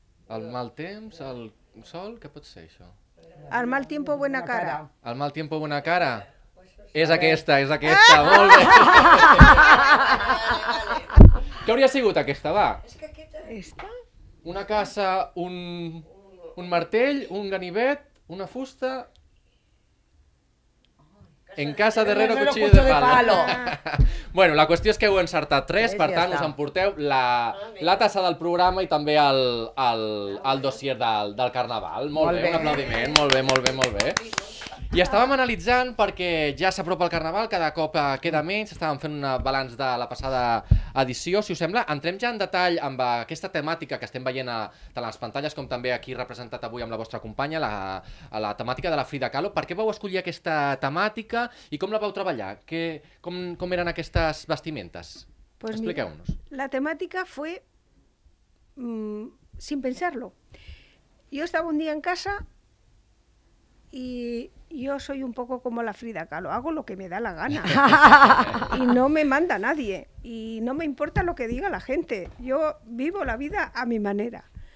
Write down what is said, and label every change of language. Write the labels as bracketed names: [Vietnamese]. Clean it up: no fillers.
[Catalan] El mal temps, el sol, què pot ser això? [Spanish] El mal tiempo, buena cara. El mal tiempo, buena cara. [Catalan] És aquesta, molt bé. Què hauria sigut aquesta, va? És que aquesta... Una casa, un martell, un ganivet, Una fusta... [Spanish] En casa d'Herrero, cuchillo de palo. [Catalan] Bueno, la qüestió és que heu encertat tres, per tant, us emporteu la tassa del programa i també el dossier del carnaval. Molt bé, un aplaudiment. Molt bé, molt bé, molt bé. I estàvem analitzant perquè ja s'apropa el carnaval, cada cop queda menys, estàvem fent un balanç de la passada edició, si us sembla. Entrem ja en detall amb aquesta temàtica que estem veient tant a les pantalles com també aquí representat avui amb la vostra companya, la temàtica de la Frida Kahlo. Per què vau escollir aquesta temàtica i com la vau treballar? Com eren aquestes vestimentes? Pues expliqueu-nos. [Spanish] La temàtica fue sin pensarlo. Yo estaba un día en casa y yo soy un poco como la Frida Kahlo, hago lo que me da la gana y no me manda nadie y no me importa lo que diga la gente, yo vivo la vida a mi manera.